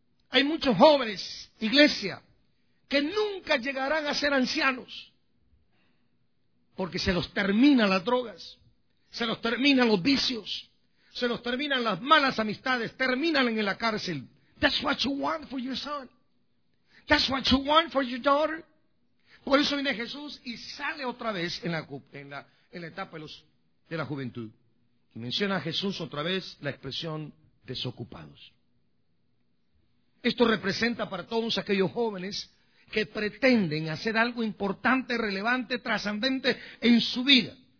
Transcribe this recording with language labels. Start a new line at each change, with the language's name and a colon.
Spanish: Hay muchos jóvenes, iglesia, que nunca llegarán a ser ancianos, porque se los terminan las drogas, se los terminan los vicios, se los terminan las malas amistades, terminan en la cárcel.
English: That's what you want for your son. That's what you want for your daughter.
Spanish: Por eso viene Jesús y sale otra vez en la etapa de la juventud. Y menciona a Jesús otra vez la expresión desocupados. Esto representa para todos aquellos jóvenes que pretenden hacer algo importante, relevante, trascendente en su vida.